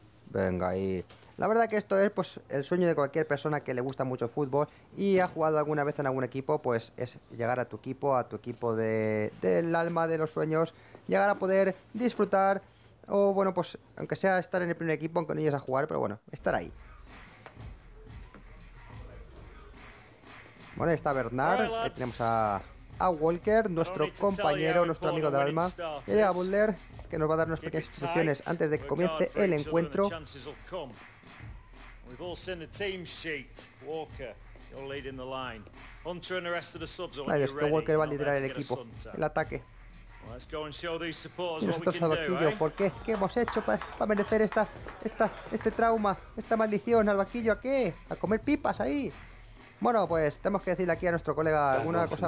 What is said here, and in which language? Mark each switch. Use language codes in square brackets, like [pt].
[es] Venga ahí. La verdad que esto es pues el sueño de cualquier persona que le gusta mucho el fútbol y ha jugado alguna vez en algún equipo, pues es llegar a tu equipo del alma, de los sueños, llegar a poder disfrutar o bueno, pues aunque sea estar en el primer equipo, aunque no llegues a jugar, pero bueno, estar ahí. Bueno, ahí está Bernard, ahí tenemos a Walker, nuestro compañero, nuestro amigo del alma, y a Butler, que nos va a dar unas pequeñas instrucciones antes de que comience el encuentro. [en] We've all seen the team sheet. Walker, you're leading the line. Hunter and the rest of the subs are ready. [es] Walker va a liderar el equipo. El ataque. [en] Well, let's go and show these supporters what we can do, right? [es] ¿Por qué? ¿Qué hemos hecho para merecer este trauma, esta maldición al vaquillo? ¿A qué? A comer pipas ahí. Bueno, pues tenemos que decirle aquí a nuestro colega alguna cosa.